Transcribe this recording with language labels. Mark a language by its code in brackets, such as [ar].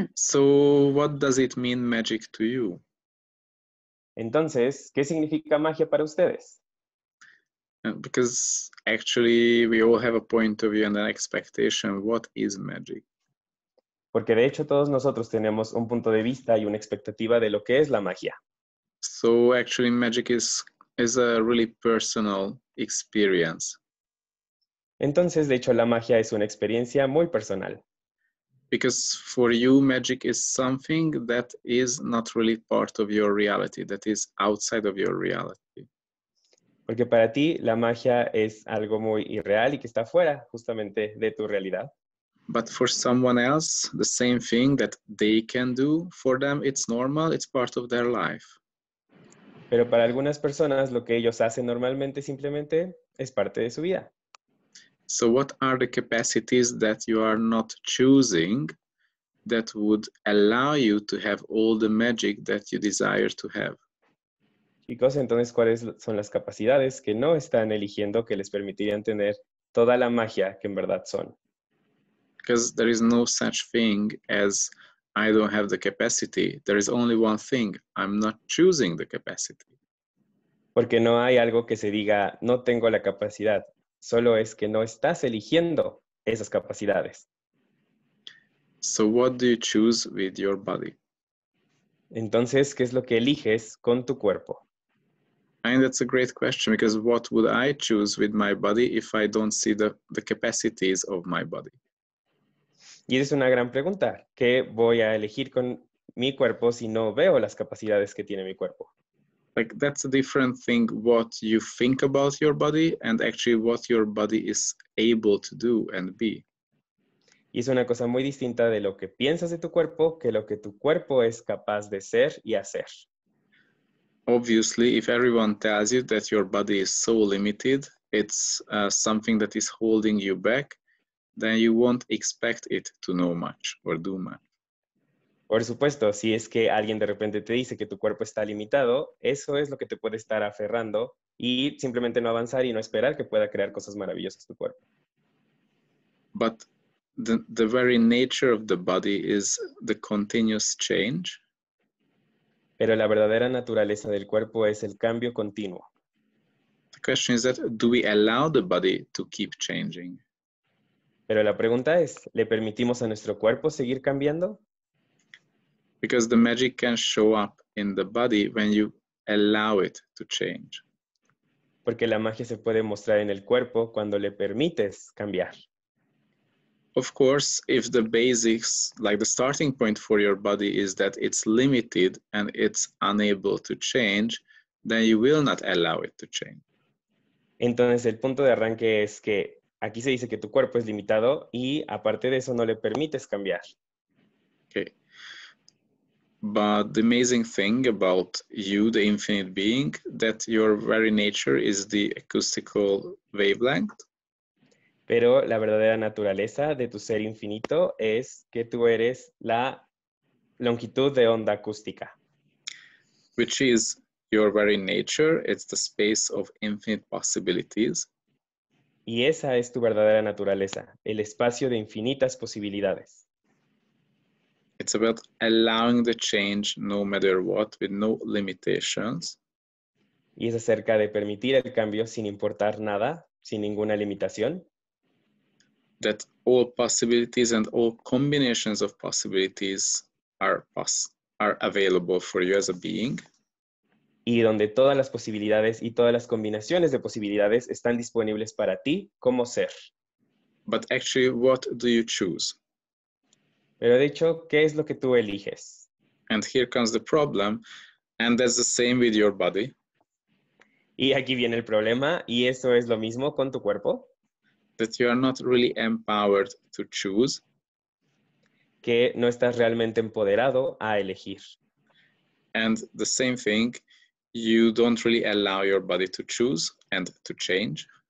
[en] So what does it mean magic to you? [es] Entonces, ¿qué significa magia para ustedes? [en] Because actually we all have a point of view and an expectation. What is magic? [es] Porque de hecho todos nosotros tenemos un punto de vista y una expectativa de lo que es la magia. [en] So actually magic is a really personal experience. [es] Entonces, de hecho, la magia es una experiencia muy personal. [en] Because for you magic is something that is not really part of your reality, that is outside of your reality. [es] Porque para ti la magia es algo muy irreal y que está fuera justamente de tu realidad. [en] But for someone else, the same thing that they can do, for them it's normal, it's part of their life. [es] Pero para algunas personas lo que ellos hacen normalmente simplemente es parte de su vida. [en] So what are the capacities that you are not choosing that would allow you to have all the magic that you desire to have? [es] Chicos, entonces, ¿cuáles son las capacidades que no están eligiendo que les permitirían tener toda la magia que en verdad son? [en] Because there is no such thing as I don't have the capacity. There is only one thing. I'm not choosing the capacity. [es] Porque no hay algo que se diga, no tengo la capacidad. Solo es que no estás eligiendo esas capacidades. [en] So what do you choose with your body? [es] Entonces, ¿qué es lo que eliges con tu cuerpo? [en] And that's a great question, because what would I choose with my body if I don't see the capacities of my body? [es] Y es una gran pregunta. ¿Qué voy a elegir con mi cuerpo si no veo las capacidades que tiene mi cuerpo? [en] Like, that's a different thing what you think about your body and actually what your body is able to do and be. [es] Y es una cosa muy distinta de lo que piensas de tu cuerpo que lo que tu cuerpo es capaz de ser y hacer. [en] Obviously, if everyone tells you that your body is so limited, it's something that is holding you back, then you won't expect it to know much or do much. [es] Por supuesto, si es que alguien de repente te dice que tu cuerpo está limitado, eso es lo que te puede estar aferrando y simplemente no avanzar y no esperar que pueda crear cosas maravillosas tu cuerpo. [en] But the very nature of the body is the continuous change. [es] Pero la verdadera naturaleza del cuerpo es el cambio continuo. [en] The question is that, do we allow the body to keep changing? [es] Pero la pregunta es, ¿le permitimos a nuestro cuerpo seguir cambiando? [en] Because the magic can show up in the body when you allow it to change. [es] Porque la magia se puede mostrar en el cuerpo cuando le permites cambiar. [en] Of course, if the basics, like the starting point for your body is that it's limited and it's unable to change, then you will not allow it to change. [es] Entonces el punto de arranque es que aquí se dice que tu cuerpo es limitado y aparte de eso no le permites cambiar. [en] Okay. But the amazing thing about you, the infinite being, that your very nature is the acoustical wavelength. [es] Pero la verdadera naturaleza de tu ser infinito es que tú eres la longitud de onda acústica. [en] Which is your very nature. It's the space of infinite possibilities. [es] Y esa es tu verdadera naturaleza, el espacio de infinitas posibilidades. [en] It's about allowing the change no matter what, with no limitations. [es] Y es acerca de permitir el cambio sin importar nada, sin ninguna limitación. [en] That all possibilities and all combinations of possibilities are available for you as a being. [es] Y donde todas las posibilidades y todas las combinaciones de posibilidades están disponibles para ti como ser. [en] But actually, what do you choose? [es] Pero de hecho, ¿qué es lo que tú eliges? [en] And here comes the problem, and that's the same with your body. [es] Y aquí viene el problema, y eso es lo mismo con tu cuerpo. [en] That you are not really empowered to choose. [es] Que no estás realmente empoderado a elegir. [en] And the same thing, you don't really allow your body to choose and to change.